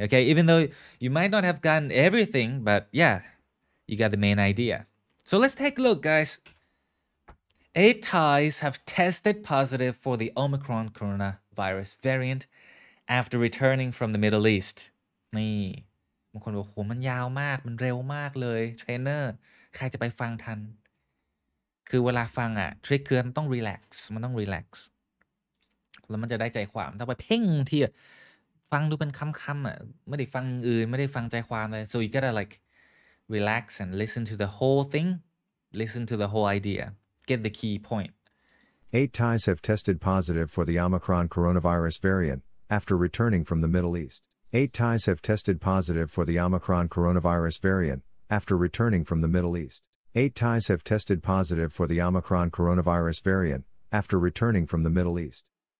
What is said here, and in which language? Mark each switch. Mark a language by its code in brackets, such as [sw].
[en] Okay, even though you might not have gotten everything, but yeah, you got the main idea. So let's take a look, guys. 8 Thais have tested positive for the Omicron coronavirus variant after returning from the Middle East. [th] นี่บางคนบอกโหมันยาวมากมันเร็วมากเลยเทรนเนอร์ใครจะไปฟังทันคือเวลาฟังอ่ะทริคคือมันต้องรีแลกซ์มันต้องรีแลกซ์ แล้วมันจะได้ใจความถ้าไปเพ่งที่ฟังดูเป็นคำๆอ่ะไม่ได้ฟังอื่นไม่ได้ฟังใจความเลย [en] so you gotta like relax and listen to the whole thing listen to the whole idea get the key point Eight Thais have tested positive for the Omicron coronavirus variant after returning from the Middle East. Eight Thais have tested positive for the Omicron coronavirus variant after returning from the Middle East. Eight Thais have tested positive for the Omicron coronavirus variant after returning from the Middle East.